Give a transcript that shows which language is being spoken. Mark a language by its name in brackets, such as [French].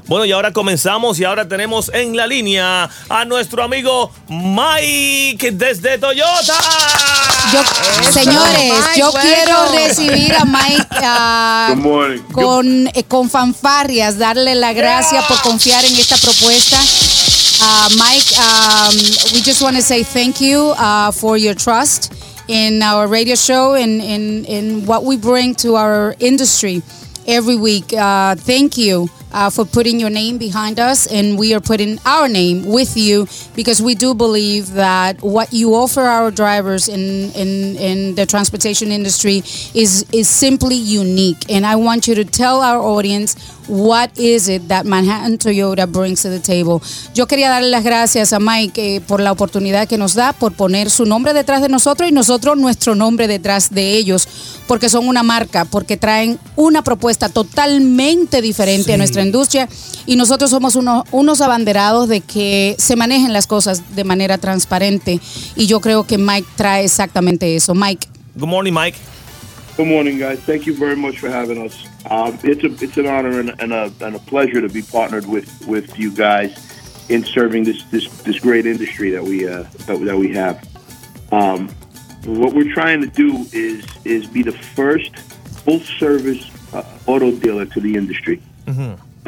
[Spanish] Bueno, y ahora comenzamos, y ahora tenemos en la línea a nuestro amigo Mike desde Toyota. Señores, quiero recibir a Mike con fanfarrias, darle la gracia por confiar en esta propuesta. [English] Mike, we just want to say thank you for your trust in our radio show and in what we bring to our industry every week. Thank you for putting your name behind us, and we are putting our name with you, because we do believe that what you offer our drivers in the transportation industry is simply unique. And I want you to tell our audience, what is it that Manhattan Toyota brings to the table? [Spanish] Yo quería darle las gracias a Mike por la oportunidad que nos da, por poner su nombre detrás de nosotros y nosotros nuestro nombre detrás de ellos, porque son una marca, porque traen una propuesta totalmente diferente a nuestra industria, y nosotros somos unos abanderados de que se manejen las cosas de manera transparente, y yo creo que Mike trae exactamente eso. Mike, [English] Good morning, Mike. Good morning, guys. Thank you very much for having us. It's an honor and a pleasure to be partnered with you guys in serving this great industry that we have. What we're trying to do is be the first full service auto dealer to the industry. Mm-hmm.